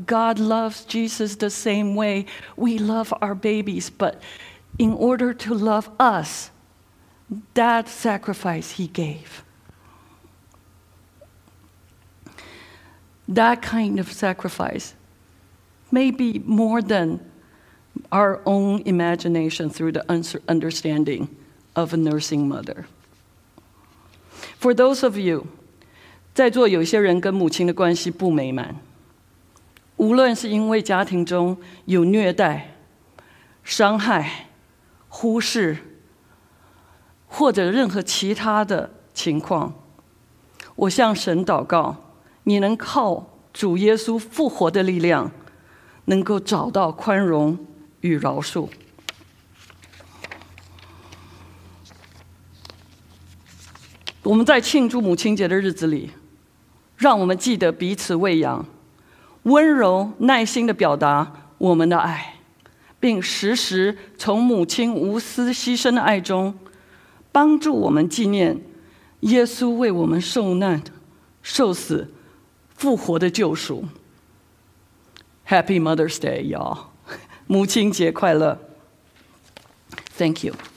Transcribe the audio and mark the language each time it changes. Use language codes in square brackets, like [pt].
[en] God loves Jesus the same way we love our babies, but in order to love us, that sacrifice he gave. That kind of sacrifice may be more thanour own imagination through the understanding of a nursing mother. For those of you, [zh] 在座有些人跟母亲的关系不美满, 无论是因为家庭中有虐待、伤害、忽视，或者任何其他的情况，我向神祷告，你能靠主耶稣复活的力量，能够找到宽容与饶恕。我们在庆祝母亲节的日子里，让我们记得彼此喂养，温柔耐心地表达我们的爱，并时时从母亲无私牺牲的爱中帮助我们纪念耶稣为我们受难、受死、复活的救赎。 [en] Happy Mother's Day, y'all. [zh] 母亲节快乐。 [en] Thank you.